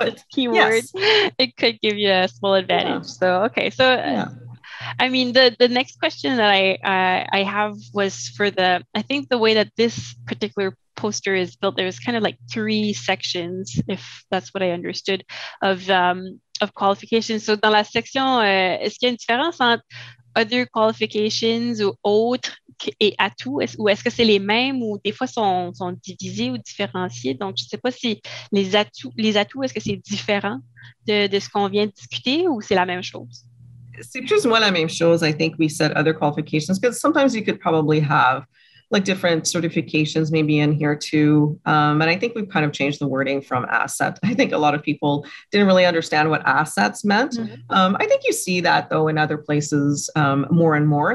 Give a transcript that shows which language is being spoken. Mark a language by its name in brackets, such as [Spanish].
[English] That's keyword. Yes. It could give you a small advantage. Yeah. So, okay. So, yeah. I mean, the next question that I have was for the, I think the way that this particular poster is built, there's kind of like three sections, if that's what I understood, of qualifications. [French] So, dans la section, est-ce qu'il y a une différence entre [English] other qualifications [French] ou autres? Et à tout, ou est-ce que c'est les mêmes ou des fois sont divisés ou différenciés? Donc, je ne sais pas si les atouts, est-ce que c'est différent de ce qu'on vient de discuter ou c'est la même chose? C'est plus ou moins la même chose. [English] I think we said other qualifications, because sometimes you could probably have like different certifications maybe in here too. And I think we've kind of changed the wording from asset. I think a lot of people didn't really understand what assets meant. Mm-hmm. I think you see that though in other places more and more.